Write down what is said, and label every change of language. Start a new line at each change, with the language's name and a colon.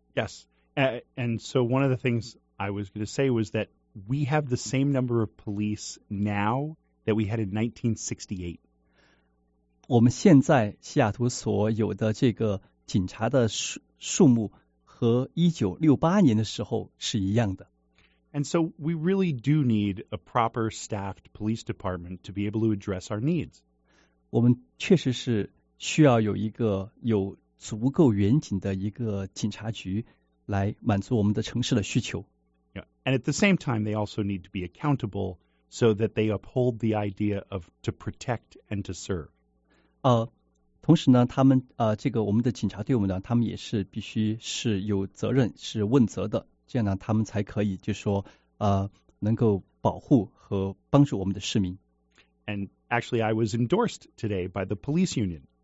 English: Yes, and so one of the things I was going to say was that we have the same number of police now that we had in 1968.
Chinese: 我们现在西雅图所有的这个警察的数目和1968年的时候是一样的。
English: And so we really do need a proper staffed police department to be able to address our needs.
Chinese: 我们确实是需要有一个有足够远景的一个警察局来满足我们的城市的需求。
English: Yeah. And at the same time, they also need to be accountable so that they uphold the idea of to protect and to serve.
Chinese: 同时呢他们这个我们的警察队伍呢他们也是必须是有责任是问责的，这样呢他们才可以就说能够保护和帮助我们的市民。
English: And actually I was endorsed today by the police union.